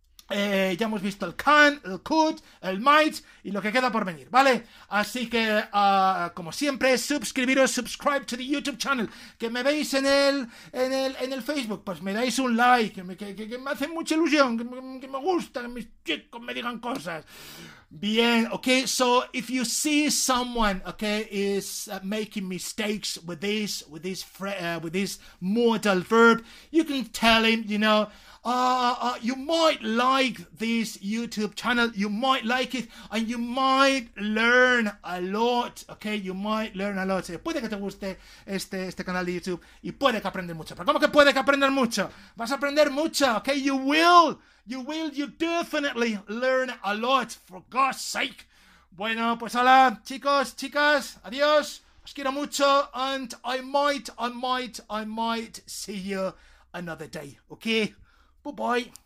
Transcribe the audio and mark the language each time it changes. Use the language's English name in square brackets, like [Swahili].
[Spanish] Ya hemos visto el can, el could, el might y lo que queda por venir, ¿vale? Así que, como siempre, suscribiros, [English] subscribe to the YouTube channel. [Spanish] Que me veis en el Facebook, pues me dais un like, que me hace mucha ilusión, que me gusta que mis chicos me digan cosas. [English] Bien, ok, so if you see someone, ok, is making mistakes with this modal verb, you can tell him, you know, you might like this YouTube channel, you might like it, and you might learn a lot, ok, you might learn a lot. [Spanish] Puede que te guste este canal de YouTube y puede que aprendas mucho. ¿Pero cómo que puede que aprendas mucho? Vas a aprender mucho, [English] ok, you will. You definitely learn a lot, for God's sake. [Spanish] Bueno, pues hola, chicos, chicas, adiós. Os quiero mucho, [English] and I might see you another day, okay? Bye-bye.